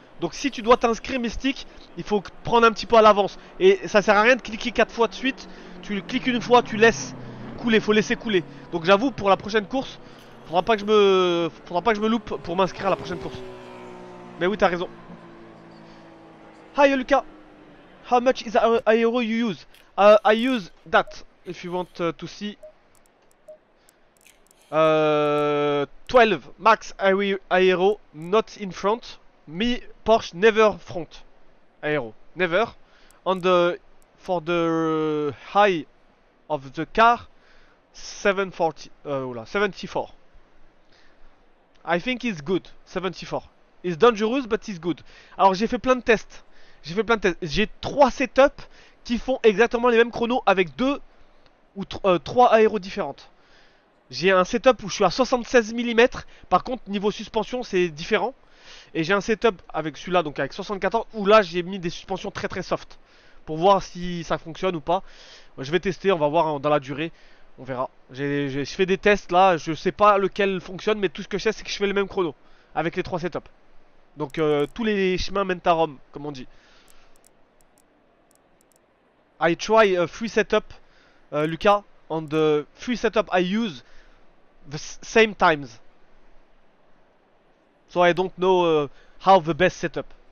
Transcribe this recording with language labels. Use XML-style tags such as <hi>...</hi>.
<fr>Donc, si tu dois t'inscrire, Mystique, il faut prendre un petit peu à l'avance. Et ça sert à rien de cliquer 4 fois de suite. Tu cliques une fois, tu laisses couler, faut laisser couler. Donc j'avoue, pour la prochaine course, faudra pas que je me loupe pour m'inscrire à la prochaine course. Mais oui, t'as raison.</fr> <en>Hi Lucas, how much is aero you use? I use that if you want to see. 12 max aero, not in front. Me Porsche never front aero, never. And for the high of the car, 74. I think it's good, 74. It's dangerous, but it's good.</en> <fr>Alors, j'ai fait plein de tests. J'ai 3 setups qui font exactement les mêmes chronos avec 2 ou 3 aéros différentes. J'ai un setup où je suis à 76 mm. Par contre, niveau suspension, c'est différent. Et j'ai un setup avec celui-là, donc avec 74, où là, j'ai mis des suspensions très très soft. Pour voir si ça fonctionne ou pas. Je vais tester, on va voir dans la durée. On verra. Je fais des tests là, je sais pas lequel fonctionne, mais tout ce que je sais, c'est que je fais le même chrono avec les 3 setups. Donc tous les chemins mènent à Rome, comme on dit.</fr> <en>I try a 3 setup, Lucas, and the 3 setup I use the same times. So I don't know how the best setup.</en>